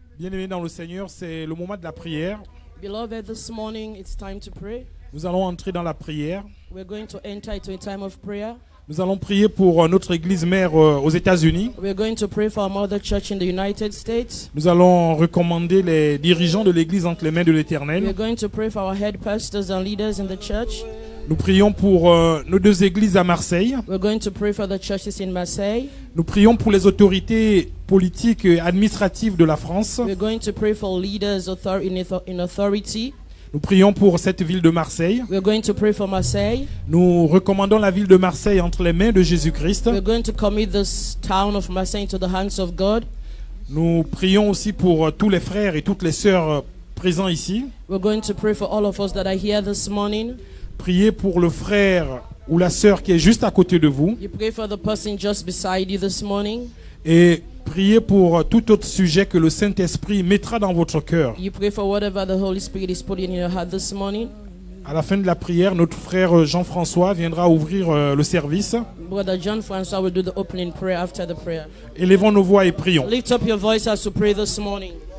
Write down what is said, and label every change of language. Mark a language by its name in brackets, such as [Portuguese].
[French] Bien-aimés dans le Seigneur, c'est le moment de la prière. [English] Beloved, this morning it's time to pray. [French] Nous allons entrer dans la prière. [English] We're going to enter into a time of prayer. [French] Nous allons prier pour notre église mère aux États-Unis. [English] We're going to pray for our mother church in the United States. [French] Nous allons recommander les dirigeants de l'église entre les mains de l'Éternel. [English] We're going to pray for our head pastors and leaders in the church. [French] Nous prions pour nos deux églises à Marseille. [English] We're going to pray for the churches in Marseille. [French] Nous prions pour les autorités politiques et administratives de la France. [English] We're going to pray for leaders in authority. [French] Nous prions pour cette ville de Marseille. [English] We're going to pray for Marseille. [French] Nous recommandons la ville de Marseille entre les mains de Jésus-Christ. [English] We're going to commit this town of Marseille into the hands of God. [French] Nous prions aussi pour tous les frères et toutes les sœurs présents ici. [English] We're going to pray for all of us that are here this morning. [French] Priez pour le frère ou la sœur qui est juste à côté de vous. [English] You pray for the person just beside you this morning. [French] Et priez pour tout autre sujet que le Saint-Esprit mettra dans votre cœur. [English] You pray for whatever the Holy Spirit is putting in your heart this morning. [French] À la fin de la prière, notre frère Jean-François viendra ouvrir le service. [English] Brother Jean-François will do the opening prayer after the prayer. [French] Élevons nos voix et prions. [English] Lift up your voice as you pray this morning.